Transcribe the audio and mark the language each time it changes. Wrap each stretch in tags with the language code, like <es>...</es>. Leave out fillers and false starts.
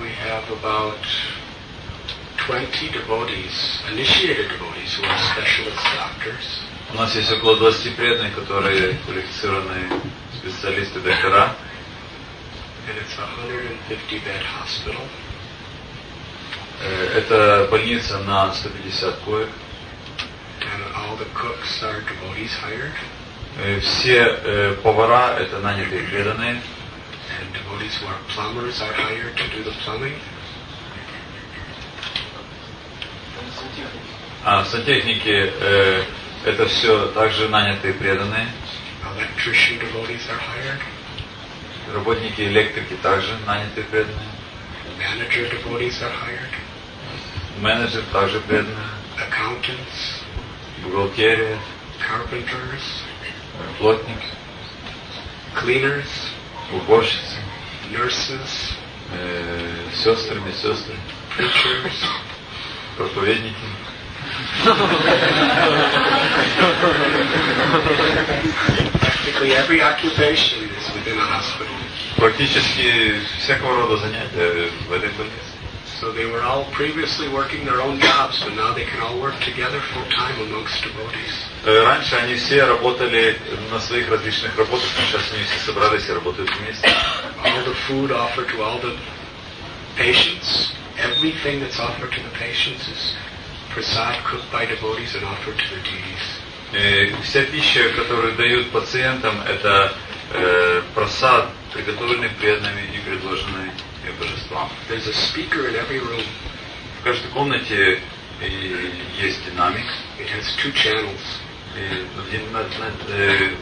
<en>We have about 20 devotees, initiated devotees, who are specialist doctors.</en> <ru>У нас есть около 20 преданных, которые квалифицированные специалисты, доктора.</ru> <en>And it's a 150-bed hospital.</en> <ru>Это больница на 150 коек.</ru> <en>And all the cooks are devotees hired.</en> <ru>Все повара это нанятые преданные.</ru> <en>And devotees who are plumbers are hired to do the plumbing.</en> <ru>А сантехники это все также нанятые преданные.</ru> <en>Electrician devotees are hired.</en> <ru>Работники электрики также нанятые преданные.</ru> <en>Manager devotees are hired.</en> <ru>Менеджер также преданные.</ru> <en>Accountants.</en> <ru>Бухгалтерия.</ru> <en>Carpenters.</en> <ru>Плотники.</ru> <en>Cleaners.</en> <ru>Уборщицы.</ru> <en>Nurses.</en> <ru>Сестры, медсестры.</ru> <en>Preachers.</en> <ru>Проповедники.</ru> <en>Practically every occupation is within a hospital.</en> <ru>Практически всякого рода занятия в этой больнице.</ru> <en>So they were all previously working their own jobs, but now they can all work together full time amongst devotees.</en> <ru>Раньше они все работали на своих различных работах, но сейчас они все собрались и работают вместе.</ru> <en>All the food offered to all the patients. Everything that's offered to the patients is prasad cooked by devotees and offered to the deities.</en> <ru>Вся пища, которую дают пациентам, это прасад, приготовленный преданными и предложенный божествам.</ru> <en>There's a speaker in every room.</en> <ru>В каждой комнате есть динамик.</ru> <en>It has two channels.</en>